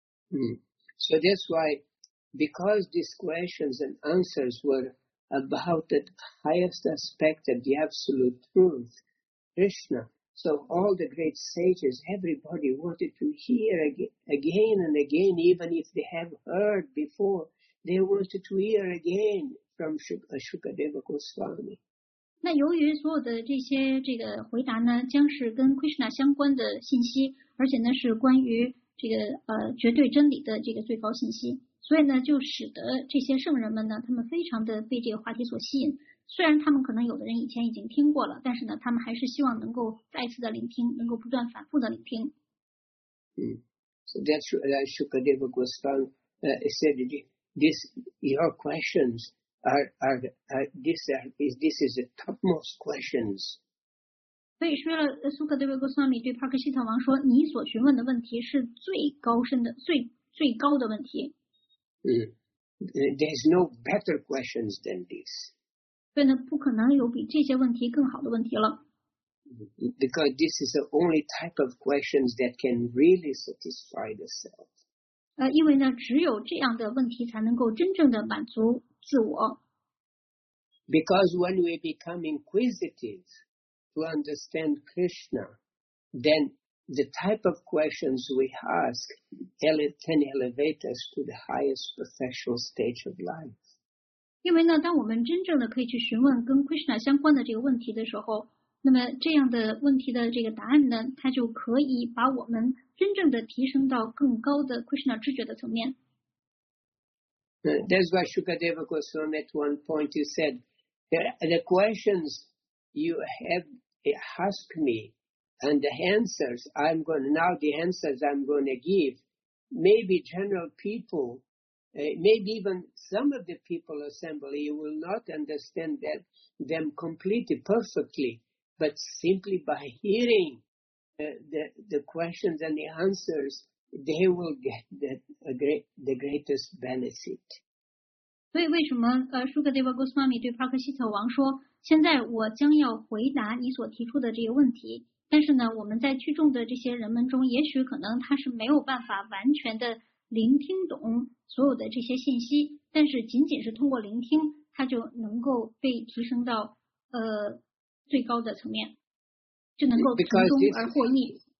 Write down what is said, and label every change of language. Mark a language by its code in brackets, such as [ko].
[en] So that's why, because these questions and answers were about the highest aspect of the absolute truth, Krishna. So all the great sages, everybody wanted to hear again and again, even if they have heard before, they wanted to hear again from Shukadeva Goswami. [zh] 那由于所有的这个回答呢，将是跟 Krishna 相关的信息，而且呢是关于这个绝对真理的这个最高信息，所以呢就使得这些圣人们呢，他们非常的被这个话题所吸引。虽然他们可能有的人以前已经听过了，但是呢，他们还是希望能够再次的聆听，能够不断反复的聆听。 [en] So that's Shukadeva Goswami said, "This your questions." This is the topmost questions. [zh] 所以说了，苏克德维格斯纳米对帕克西特王说：“你所询问的问题是最高深的、最高的问题。” [en] There's no better questions than this. [zh] 对呢，不可能有比这些问题更好的问题了。 [en] Because this is the only type of questions that can really satisfy the self. [zh] 因为呢，只有这样的问题才能够真正的满足。自我。 [en] Because when we become inquisitive to understand Krishna, then the type of questions we ask can elevate us to the highest perfectional stage of life. [zh] 因为呢，当我们真正的可以去询问跟 Krishna 相关的这个问题的时候，那么这样的问题的这个答案呢，它就可以把我们真正的提升到更高的 Krishna 知觉的层面。 [en] That's why Shukadeva Goswami at one point he said, the questions you have asked me and the answers I'm going, now the answers I'm going to give, maybe general people, maybe even some of the people assembly, you will not understand that them completely, perfectly, but simply by hearing the questions and the answers,They will get the greatest benefit. [zh] 所以为什么Shukadeva Goswami 对帕克希特王说，现在我将要回答你所提出的这个问题，但是呢，我们在聚众的这些人们中，也许可能他是没有办法完全的聆听懂所有的这些信息，但是仅仅是通过聆听，他就能够被提升到最高的层面，就能够从中而获益。